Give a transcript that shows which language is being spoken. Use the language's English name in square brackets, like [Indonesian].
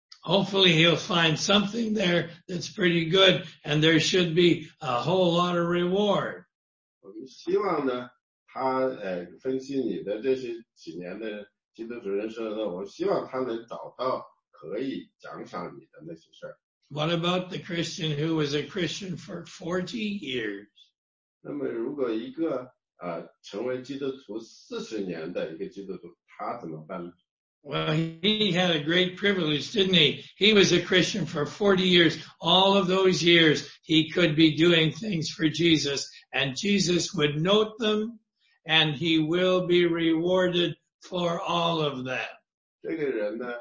[English] Hopefully he'll find something there that's pretty good and there should be a whole lot of reward. [Chinese] 我希望呢，他分析你的这些几年的基督徒人生呢，我希望他能找到可以奖赏你的那些事儿。 [English] What about the Christian who was a Christian for 40 years? [Chinese] 那么如果一个成为基督徒40年的一个基督徒，他怎么办呢？ [English] Well, he had a great privilege, didn't he? He was a Christian for 40 years. All of those years, he could be doing things for Jesus, and Jesus would note them, and he will be rewarded for all of them.